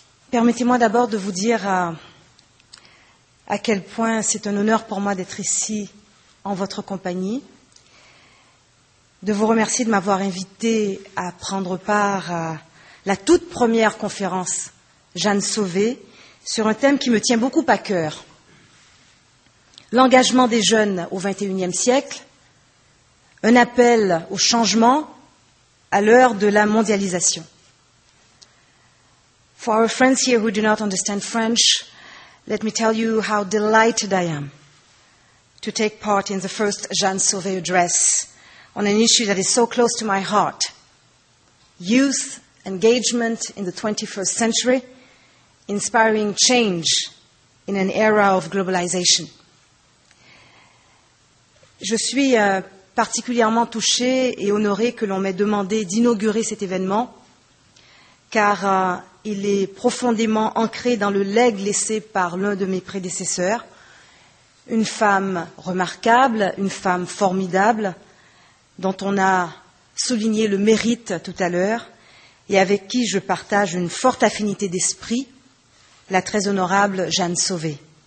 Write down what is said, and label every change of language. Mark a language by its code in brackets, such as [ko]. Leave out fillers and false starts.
[fr] Permettez-moi d'abord de vous dire à quel point c'est un honneur pour moi d'être ici en votre compagnie, de vous remercier de m'avoir invité à prendre part à la toute première conférence Jeanne Sauvé sur un thème qui me tient beaucoup à cœur, l'engagement des jeunes au XXIe siècle, un appel au changement à l'heure de la mondialisation. [en] For our friends here who do not understand French, let me tell you how delighted I am to take part in the first Jeanne Sauvé address on an issue that is so close to my heart, youth engagement in the 21st century, inspiring change in an era of globalization. [fr] Je suis particulièrement touchée et honorée que l'on m'ait demandé d'inaugurer cet événement, car il est profondément ancré dans le legs laissé par l'un de mes prédécesseurs, une femme remarquable, une femme formidable, dont on a souligné le mérite tout à l'heure, et avec qui je partage une forte affinité d'esprit, la très honorable Jeanne Sauvé.